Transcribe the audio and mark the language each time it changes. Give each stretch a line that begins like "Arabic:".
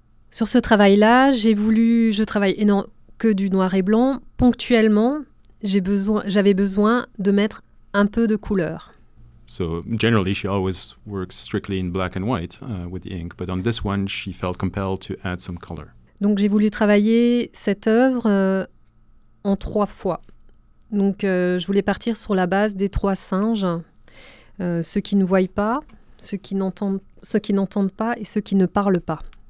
French: Sur ce travail-là, je travaille que du noir et blanc. Ponctuellement, j'avais besoin de mettre un peu de couleur.
English: So generally, she always works strictly in black and white with the ink, but on this one, she felt compelled to add some color.
French: Donc j'ai voulu travailler cette œuvre en trois fois. Donc je voulais partir sur la base des trois singes, ceux qui ne voient pas, ceux qui n'entendent pas et ceux qui ne parlent pas.